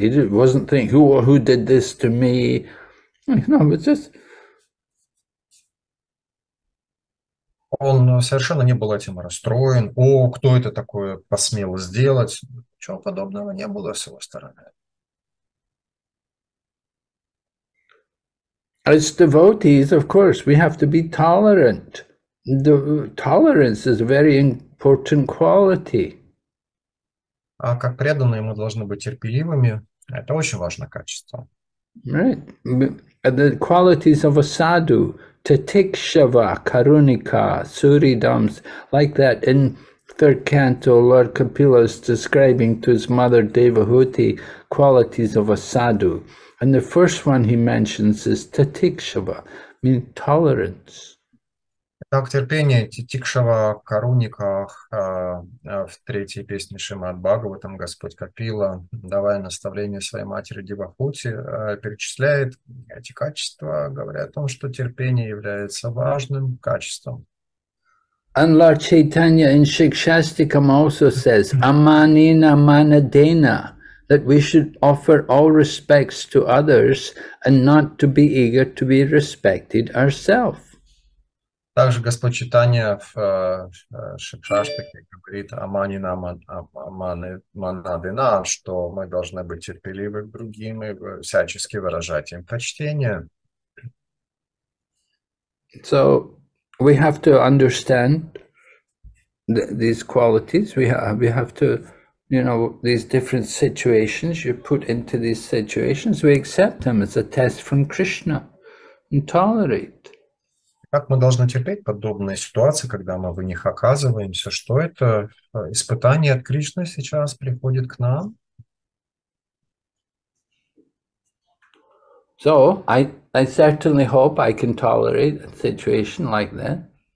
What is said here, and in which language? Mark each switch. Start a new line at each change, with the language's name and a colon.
English: He wasn't thinking, who did this to me? You know, it's just...
Russian: Он совершенно не был этим расстроен. О, кто это такое посмел сделать? Ничего подобного не было с его стороны.
English: As devotees, of course, we have to be tolerant. The tolerance is very important quality.
Russian: А как преданные мы должны быть терпеливыми. Это очень важное качество.
English: Right. The qualities of a sadhu, Tatikshava, Karunika, Suridams, like that in third canto, Lord Kapila is describing to his mother Devahuti qualities of a sadhu. And the first one he mentions is Tatikshava, meaning tolerance.
Russian: Так терпение Титикшава Каруника в третьей песне Шримад Бхагаватам Господь Капила, давая наставление своей матери Девахути, перечисляет эти качества, говоря о том, что терпение является важным качеством.
English: And Lord Chaitanya in Shikshastikam also says, Amanina Manadena, that we should offer all respects to others and not to be eager to be respected ourselves.
Russian: Также Господь Читания в Шикшаштике говорит о манадина, что мы должны быть терпеливы к другим и всячески выражать им почтение.
English: So we have to understand these qualities. We have to, these different situations you put into these situations, we accept them as a test from Krishna and tolerate.
Russian: Как мы должны терпеть подобные ситуации, когда мы в них оказываемся? Что это испытание от Кришны сейчас приходит к нам?
English: So, I certainly hope I can tolerate a situation like that.